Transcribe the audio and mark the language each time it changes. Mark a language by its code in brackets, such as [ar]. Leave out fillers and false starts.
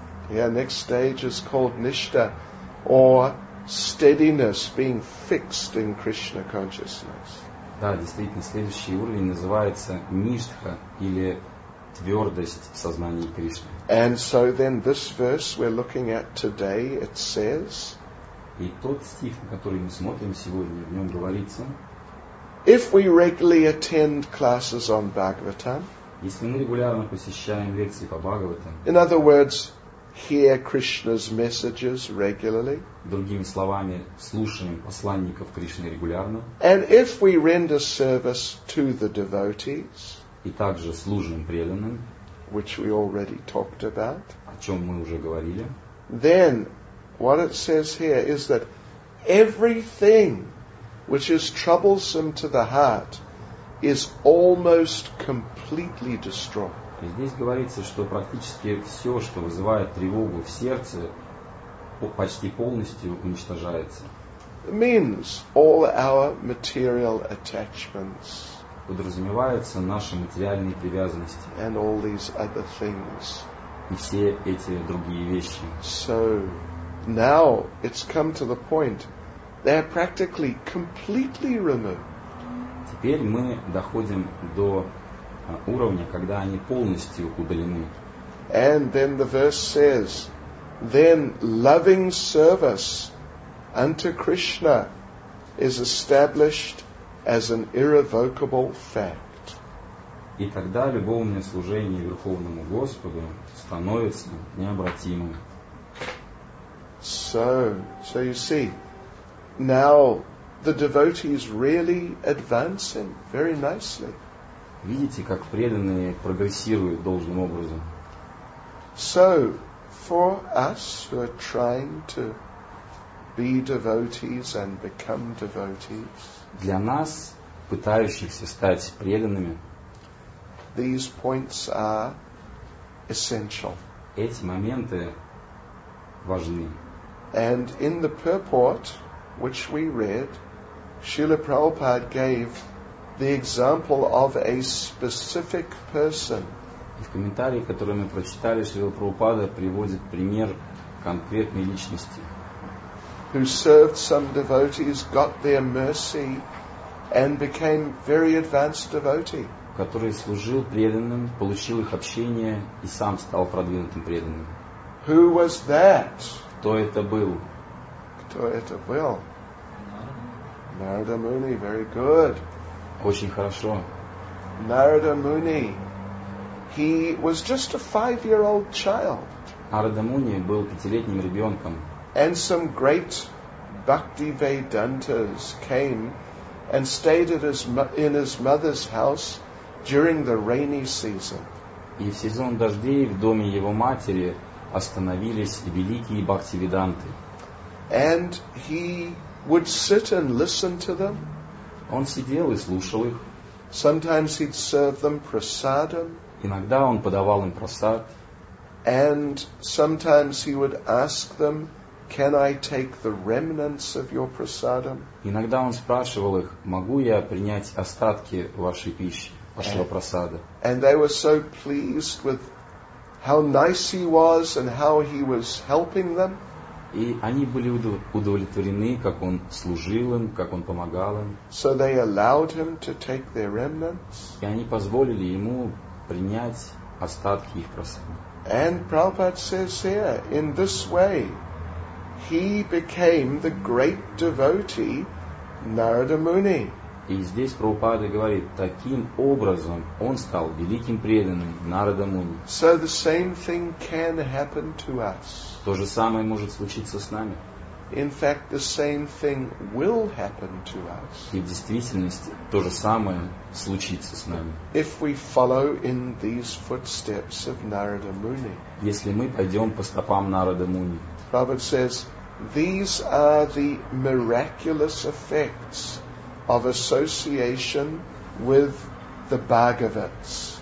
[en] Yeah, next stage is called нечто, or steadiness, being fixed in Krishna consciousness. [ru] Да, действительно, следующий уровень называется ништха, или твердость в сознании Кришны. [en] And so then this verse we're looking at today, it says, [ru] и тот стих, на который мы смотрим сегодня, в нем говорится: [en] If we regularly attend classes on Bhagavatam, [ru] если мы регулярно посещаем лекции по Бхагаватам, [en] in other words, hear Krishna's messages regularly, [ru] другими словами, слушаем посланников Кришны регулярно, [en] and if we render service to the devotees, [ru] и также служим преданным, [en] which we already talked about, [ru] о чем мы уже говорили, [en] then what it says here is that everything which is troublesome to the heart is almost completely destroyed. [ru] И здесь говорится, что практически все, что вызывает тревогу в сердце, почти полностью уничтожается. [en] It means all our material attachments. [ru] Подразумеваются наши материальные привязанности. [en] And all these other things. [ru] И все эти другие вещи. [en] So now it's come to the point they're practically completely removed. [ru] Теперь мы доходим до уровня, когда они полностью удалены. [en] And then the verse says, then loving service unto Krishna is established as an irrevocable fact. [ru] И тогда любовное служение Верховному Господу становится необратимым. [en] So you see, now the devotee is really advancing very nicely. [ru] Видите, как преданные прогрессируют должным образом. [en] So, for us who are trying to be devotees and become devotees, [ru] для нас, пытающихся стать преданными, [en] these points are essential. [ru] Эти моменты важны. [en] And in the purport, which we read, Srila Prabhupada gave the example of a specific person. [ru] В комментарии, который мы прочитали, Шрила Прабхупада приводит пример конкретной личности. [en] Who served some devotees, got their mercy, and became very advanced devotee. [ru] Который служил преданным, получил их общение и сам стал продвинутым преданным. [en] Who was that? [ru] Кто это был? Кто это был? Нарада Муни, [en] very good. [ru] Очень хорошо. [en] Нарада Муни. He was just a 5-year-old child. [ru] Нарада Муни был 5-летним ребенком. [en] And some great Bhakti Vedantas came and stayed at his in his mother's house during the rainy season. [ru] И в сезон дождей в доме его матери остановились великие Бхакти Веданты. [en] And he would sit and listen to them. [ru] Он сидел и слушал их. [en] Sometimes he'd serve them prasadam. [ru] Иногда он подавал им просад. [en] And sometimes he would ask them, "Can I take the remnants of your prasadam?" [ru] Иногда он спрашивал их, могу я принять остатки вашей пищи, вашего просада. [en] And they were so pleased with how nice he was and how he was helping them. [ru] И они были удовлетворены, как он служил им, как он помогал им. [en] So they allowed him to take their remnants. [ru] И они позволили ему принять остатки их просады. [en] And Prabhupada says here, in this way, he became the great devotee Narada Muni. [ru] И здесь Прабхупада говорит, таким образом он стал великим преданным Нарада Муни. [en] So the same thing can happen to us. [ru] То же самое может случиться с нами. [en] In fact, the same thing will happen to us. [ru] И в действительности то же самое случится с нами. [en] If we follow in these footsteps of Narada Muni. [ru] Если мы пойдем по стопам Нарада Муни. [en] Prabhupada says, these are the miraculous effects of association with the Bhagavats.